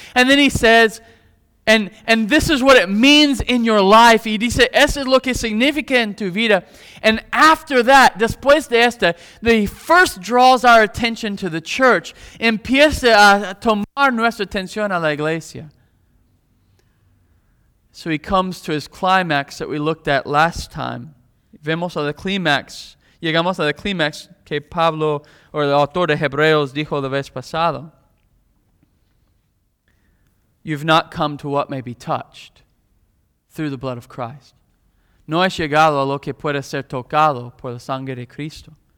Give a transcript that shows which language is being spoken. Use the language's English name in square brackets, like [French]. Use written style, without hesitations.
[English] And then he says, and this is what it means in your life. [Spanish] Y dice, eso es lo que significa en tu vida. [English] And after that, [Spanish] después de esta, [English] he first draws our attention to the church. [Spanish] Empieza a tomar nuestra atención a la iglesia. [English] So he comes to his climax that we looked at last time. [Spanish] Vemos a la climax. Llegamos a la climax que Pablo, or el autor de Hebreos, dijo la vez pasada. [English] You've not come to what may be touched through the blood of Christ. [Spanish] No has llegado a lo que puede ser tocado por la sangre de Cristo.